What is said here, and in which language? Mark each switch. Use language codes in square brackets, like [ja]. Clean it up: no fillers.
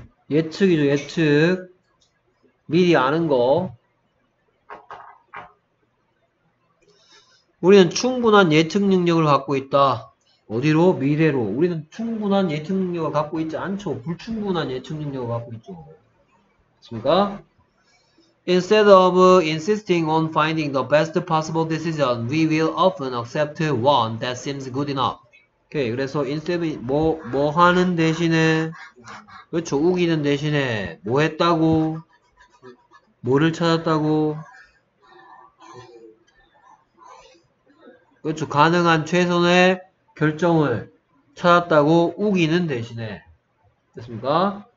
[ko] 예측이죠, 예측. 미리 아는 거. 우리는 충분한 예측 능력을 갖고 있다. 어디로? 미래로. 우리는 충분한 예측 능력을 갖고 있지 않죠. 불충분한 예측 능력을 갖고 있죠. 맞습니까? [en] Instead of insisting on finding the best possible decision, we will often accept one that seems good enough. 오케이. [ko] 그래서 인셉이 뭐 하는 대신에 그렇죠. 우기는 대신에 뭐 했다고 뭐를 찾았다고 그렇죠. 가능한 최선의 결정을 찾았다고 우기는 대신에 됐습니까?